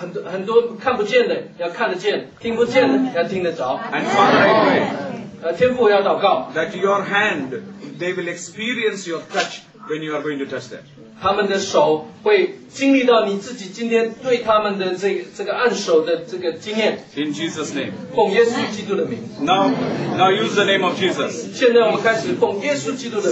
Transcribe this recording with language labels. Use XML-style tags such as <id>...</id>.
<zh>很多看不见的要看得见，听不见的要听得着。</zh> <en>And Father, I pray.</en> <zh>天父要祷告。</zh> <en>That your hand, they will experience your touch when you are going to touch them.</en> <zh>他们的手会经历到你自己今天对他们的这个按手的这个经验。</zh> <en>In Jesus' name.</en> <zh>奉耶稣基督的名。</zh> <en>Now use the name of Jesus.</en> <zh>现在我们开始奉耶稣基督的名。</zh>